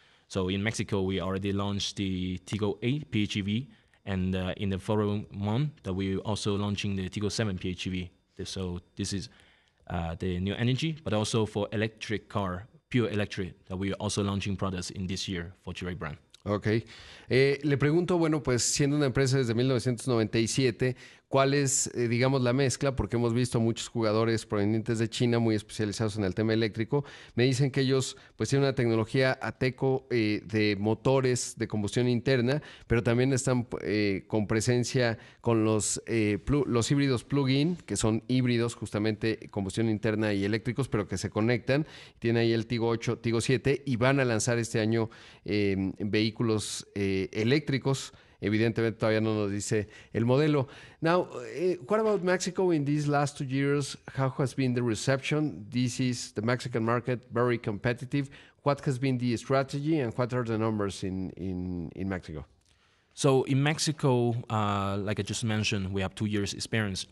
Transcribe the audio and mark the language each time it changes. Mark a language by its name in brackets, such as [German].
[English] So in Mexico, we already launched the Tiggo 8 PHEV, and in the following month, that we also launching the Tiggo 7 PHEV. So this is the new energy, but also for electric car, pure electric, that we are also launching products in this year for Chirey brand. Okay. [Spanish] Le pregunto, bueno, pues siendo una empresa desde 1997, ¿cuál es, digamos, la mezcla? Porque hemos visto muchos jugadores provenientes de China muy especializados en el tema eléctrico. Me dicen que ellos pues tienen una tecnología Ateco de motores de combustión interna, pero también están con presencia con los híbridos plug-in, que son híbridos justamente combustión interna y eléctricos, pero que se conectan. Tienen ahí el Tiggo 8, Tiggo 7 y van a lanzar este año vehículos eléctricos. Evidentemente todavía no nos dice el modelo. [English] Now, what about Mexico in these last 2 years? How has been the reception? This is the Mexican market, very competitive. What has been the strategy and what are the numbers in Mexico? So in Mexico, like I just mentioned, we have 2 years experience.